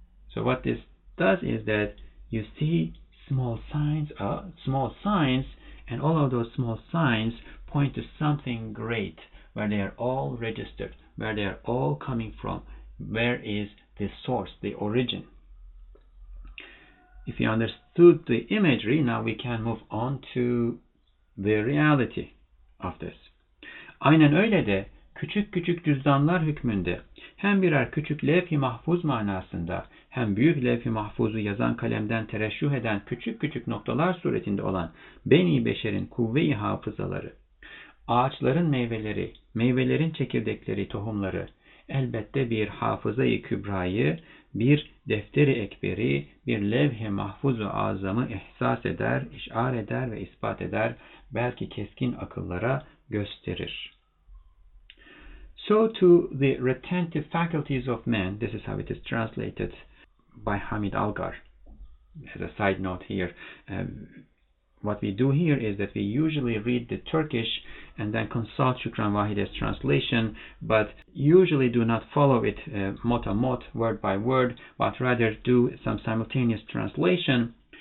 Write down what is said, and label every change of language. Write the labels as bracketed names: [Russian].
[English] So what this does is that you see small signs, and all of those small signs point to something great, where they are all registered, where they are all coming from, where is the source, the origin. If you understood the imagery, now we can move on to the reality of this. [Turkish] Aynen öyle de küçük küçük cüzdanlar hükmünde hem birer küçük levh-i mahfuz manasında hem büyük levh-i mahfuzu yazan kalemden tereşüh eden küçük küçük noktalar suretinde olan beni beşerin kuvve-i hafızaları, ağaçların meyveleri, meyvelerin çekirdekleri, tohumları, elbette bir hafıza-i kübrayı, bir defteri ekberi, bir levh-i mahfuzu azamı ihsas eder, işar eder ve ispat eder, belki keskin akıllara gösterir. [English] So to the retentive faculties of man, this is how it is translated by Hamid Algar. As a side note here, what we do here is that we usually read the Turkish and then consult Shukran Vahide's translation, but usually do not follow it mot-a-mot, word by word, but rather do some simultaneous translation.